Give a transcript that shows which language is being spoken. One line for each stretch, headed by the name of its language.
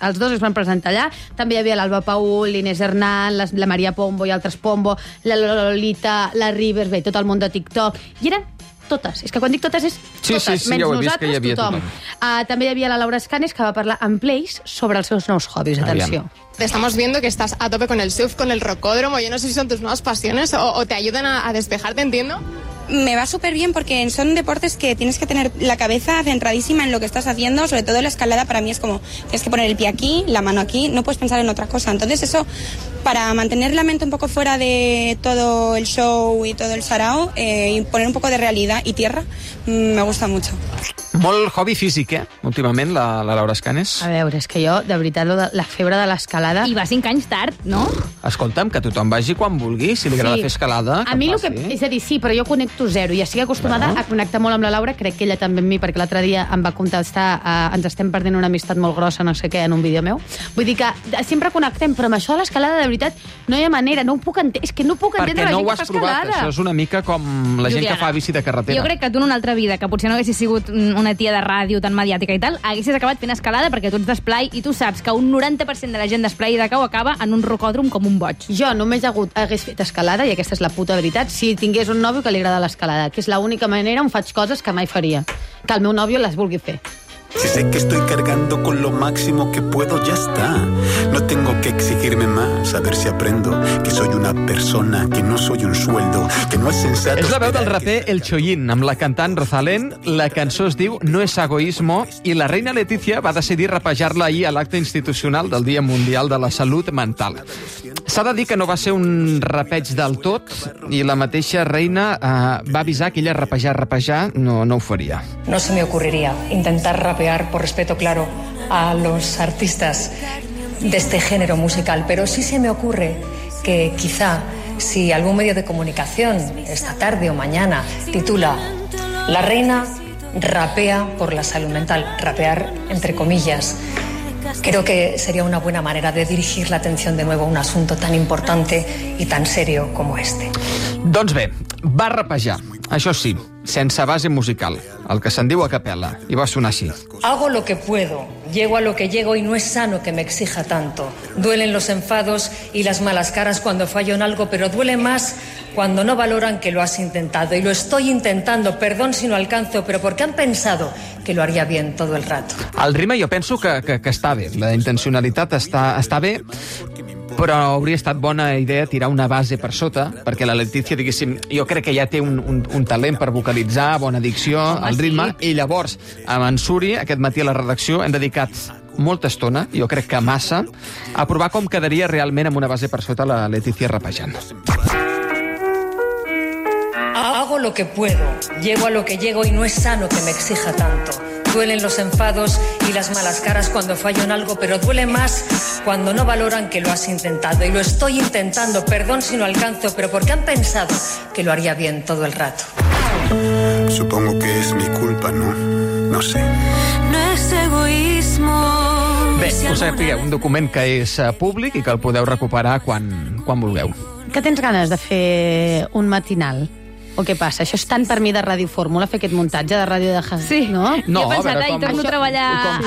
Catalan: Els dos es van presentar allà. També hi havia l'Alba Paul, l'Inés Hernán, la Maria Pombo i altres Pombo, la Lolita, la Rivers, bé, tot el món de TikTok. I eren totes. És que quan dic totes és totes. Sí, menys ja ho he nosaltres, que hi havia tothom. També hi havia la Laura Escanes, que va parlar amb Place sobre els seus nous hobbies. Atenció. Aviam.
Spanish: Estamos viendo que estás a tope con el surf, con el rocódromo. Yo no sé si son tus nuevas pasiones o te ayudan a despejarte, entiendo. Me va súper bien porque son deportes que tienes que tener la cabeza centradísima en lo que estás haciendo, sobre todo la escalada. Para mí es como, tienes que poner el pie aquí, la mano aquí, no puedes pensar en otra cosa. Entonces eso, para mantener la mente un poco fuera de todo el show y todo el sarao, y poner un poco de realidad y tierra, me gusta mucho.
Catalan: Molt hobby físic, eh? Últimament, la Laura Escanes. A veure, és que jo, de veritat, la febre de l'escalada... I va 5 anys tard, no? Escolta'm, que tothom vagi quan vulgui, si li agrada fer escalada... A mi, és a dir, sí, però jo connecto zero. Ja estic acostumada a connectar molt amb la Laura, crec que ella també amb mi, perquè l'altre dia em va contestar ens estem perdent una amistat molt grossa, no sé què, en un vídeo meu. Vull dir que sempre connectem, però amb això de l'escalada, de veritat, no hi ha manera, no ho puc entendre. És que no puc entendre perquè la gent que fa escalada. Perquè no ho has provat, això és una mica com la gent que fa bici de carretera. Jo crec que tu en una altra vida, que potser no haguessis sigut una tia de ràdio tan mediàtica i tal, haguessis acabat fent escalada perquè tu ets d'esplai i tu saps que un 90% de la gent d'esplai i de cau acaba en un rocòdrom com un boig. Jo només hagués fet escalada, i aquesta és la puta veritat, si tingués un nòvio que li agrada l'escalada, que és l'única manera on faig coses que mai faria. Que el meu nòvio les vulgui fer.
Spanish: Si sé que estoy cargando con lo máximo que puedo, ya está. No tengo que exigirme más, a ver si aprendo que soy una persona, que no soy un sueldo, que no es sensato...
Catalan: És la veu del raper El Chollín, amb la cantant Rosalén. La cançó es diu No es egoísmo, i la reina Letizia va decidir rapejar-la ahir a l'acte institucional del Dia Mundial de la Salut Mental. S'ha de dir que no va ser un rapeig del tot, i la mateixa reina va avisar que ella rapejar no ho faria.
Spanish: No se me ocurriría intentar rapear, por respeto claro, a los artistas de este género musical, pero sí se me ocurre que quizá si algún medio de comunicación esta tarde o mañana titula La reina rapea por la salud mental, rapear entre comillas, creo que sería una buena manera de dirigir la atención de nuevo a un asunto tan importante y tan serio como este.
Catalan: Doncs bé, va rapejar, això sí, sense base musical, el que se'n diu a capella, i va sonar així.
Spanish: Hago lo que puedo, llego a lo que llego y no es sano que me exija tanto. Duelen los enfados y las malas caras cuando fallo en algo, pero duele más cuando no valoran que lo has intentado. Y lo estoy intentando, perdón si no alcanzo, pero porque han pensado que lo haría bien todo el rato. El rima jo penso que està bé, la intencionalitat està bé, però hauria estat bona idea tirar una base per sota, perquè la Letizia, diguéssim, jo crec que ja té un talent per vocalitzar, bona dicció, el ritme, i llavors, a Mansuri, aquest matí a la redacció, hem dedicat molta estona, jo crec que massa, a provar com quedaria realment amb una base per sota la Letizia rapejant. Hago lo que puedo, llego a lo que llego y no es sano que me exija tanto. Duelen los enfados y las malas caras cuando fallo en algo, pero duele más cuando no valoran que lo has intentado. Y lo estoy intentando, perdón si no alcanzo, pero porque han pensado que lo haría bien todo el rato. Supongo que es mi culpa, ¿no? No sé. No es egoísmo.
Catalan: Bé, ho sàpiga, un document que és públic i que el podeu recuperar quan vulgueu. Que tens ganes de fer un matinal? O què passa? Això és tant per mi de Ràdio Fórmula, fer aquest muntatge de ràdio de... Sí, no? No, jo he pensat, ai, torno a treballar a la ràdio musical.